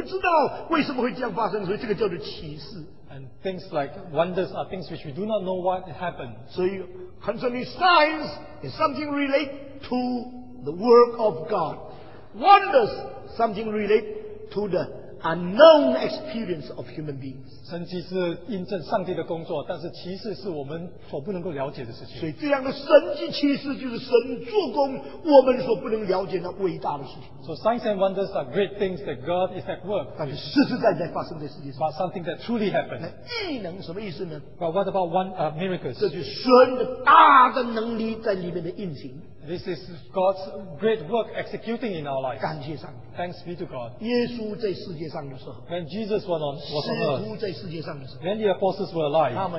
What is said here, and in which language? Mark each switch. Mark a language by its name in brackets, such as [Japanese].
[Chinese] 所以奇事是从人的经验来说我们不知道为什么会这样发生所以这个叫做奇事。 [English] And things like wonders are things which we do not know what happened. 所以concerning signs is something related to the work of God. Wonders, something related to the unknown experience of human beings. [Chinese] 神迹是印证上帝的工作, 但是奇事是我们所不能够了解的事情。所以这样的神迹奇事就是神做工, 我们所不能了解的伟大的事情。 [English] So signs and wonders are great things that God is at work. [Chinese] 但是实实在在发生在世界上。 [English] But something that truly happened. [Chinese] 那异能什么意思呢? [English] But what about miracles? [Chinese] 这就是神的大的能力在里面的运行。 [English] This is God's great work executing in our life. [Chinese] 感谢上帝, [English] thanks be to God. [Chinese] 耶稣在世界上的时候, [English] when Jesus was on earth, [Chinese] 使徒在世界上的时候, [English] when the apostles were alive,